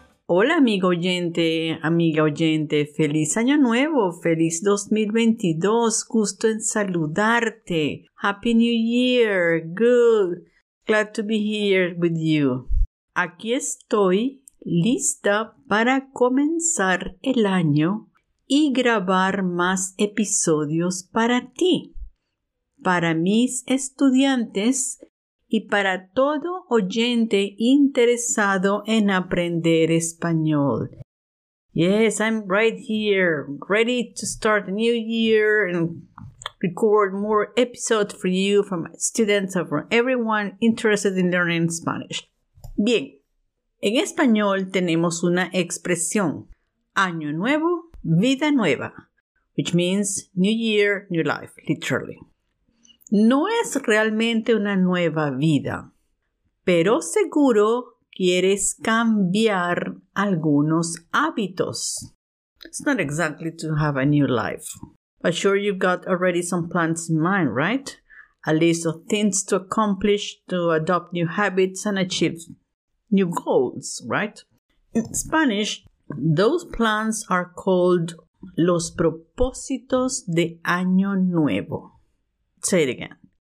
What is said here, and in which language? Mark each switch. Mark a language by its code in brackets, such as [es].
[es] Hola amiga oyente, feliz año nuevo, feliz 2022, gusto en saludarte. [en] Happy New Year, good, glad to be here with you. [es] Aquí estoy lista para comenzar el año y grabar más episodios para ti, para mis estudiantes y para todo oyente interesado en aprender español. [en] Yes, I'm right here, ready to start a new year and record more episodes for you from students and from everyone interested in learning Spanish. [es] Bien, en español tenemos una expresión, año nuevo, vida nueva, [en] which means new year, new life, literally. [es] No es realmente una nueva vida, pero seguro quieres cambiar algunos hábitos. [en] It's not exactly to have a new life. But sure you've got already some plans in mind, right? A list of things to accomplish, to adopt new habits and achieve new goals, right? In Spanish, those plans are called [es] los propósitos de año nuevo. [en] Say it again.